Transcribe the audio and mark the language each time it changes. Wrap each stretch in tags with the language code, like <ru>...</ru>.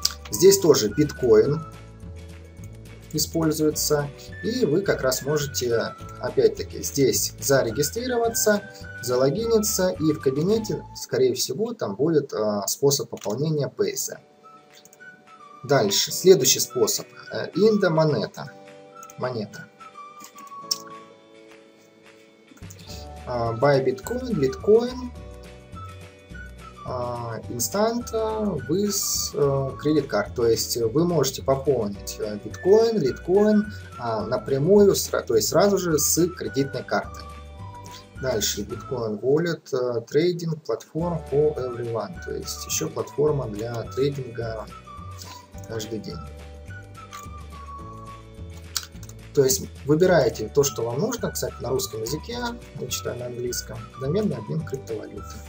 <ru>Здесь тоже биткоин используется, и вы как раз можете опять-таки здесь зарегистрироваться, залогиниться, и в кабинете, скорее всего, там будет способ пополнения Payzu. Дальше, следующий способ — Индомонета, монета.</ru> <en>Buy Bitcoin, Bitcoin Instant with credit card.</en> <ru>То есть вы можете пополнить биткоин, литкоин напрямую, то есть сразу же с кредитной карты. Дальше Bitcoin Wallet, трейдинг платформа</ru> <en>for everyone.</en> <ru>То есть еще платформа для трейдинга каждый день. То есть выбираете то, что вам нужно, кстати, на русском языке, я читаю на английском, доменный обмен криптовалюты.</ru>